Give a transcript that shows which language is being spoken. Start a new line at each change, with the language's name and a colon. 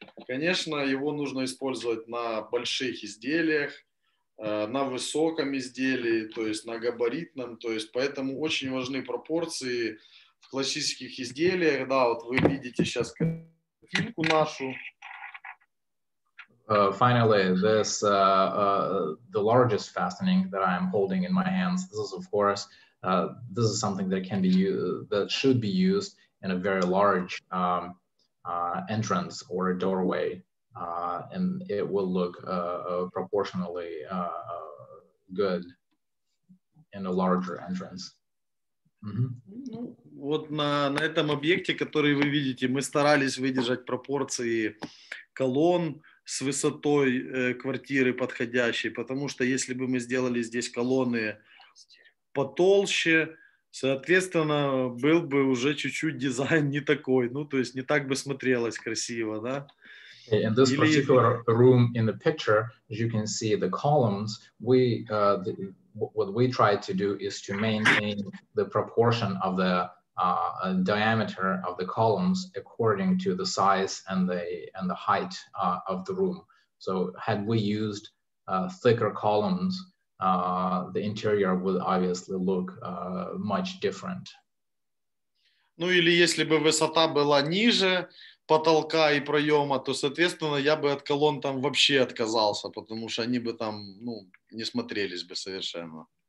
Russian: Конечно, его нужно использовать на больших изделиях, на высоком изделии, то есть на габаритном, то есть поэтому очень важны пропорции в классических изделиях, да, вот вы видите сейчас картинку нашу.
English: Finally, this the largest fastening that I am holding in my hands. This is of course this is something that can be used, that should be used in a very large entrance or a doorway. And it will look proportionally good in a larger entrance. Mm-hmm.
Russian: Ну, вот на этом объекте, который вы видите, мы старались выдержать пропорции колонн с высотой квартиры подходящей, потому что если бы мы сделали здесь колонны потолще, соответственно, был бы уже чуть-чуть дизайн не такой, ну, то есть не так бы смотрелось красиво, да?
English: In this particular room in the picture, as you can see the columns, what we try to do is to maintain the proportion of the diameter of the columns according to the size and the height of the room. So had we used thicker columns, the interior would obviously look much different.
Russian: Ну или если бы высота была ниже потолка и проема, то, соответственно, я бы от колонн там вообще отказался, потому что они бы там, ну, не смотрелись бы совершенно.